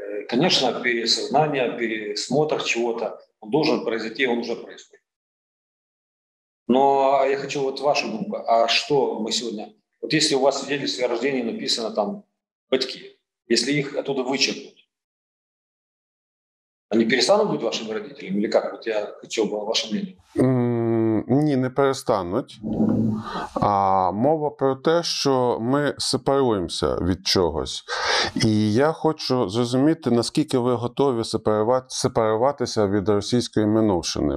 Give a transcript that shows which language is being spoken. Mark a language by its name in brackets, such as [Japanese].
[Ukrainian] Звісно, пересознання, пересмотр чого-то, він має відбувати, він вже відбувається. [Russian] Но я хочу вот вашу думку. А что мы сегодня... Вот если у вас в свидетельстве о рождении написано там «батьки», если их оттуда вычеркнут, они перестанут быть вашими родителями? Или как? Вот я хотел бы ваше мнение. [Ukrainian] Ні, не перестануть. А мова про те, що ми сепаруємося від чогось. І я хочу зрозуміти, наскільки ви готові сепаруватися від російської минувшини.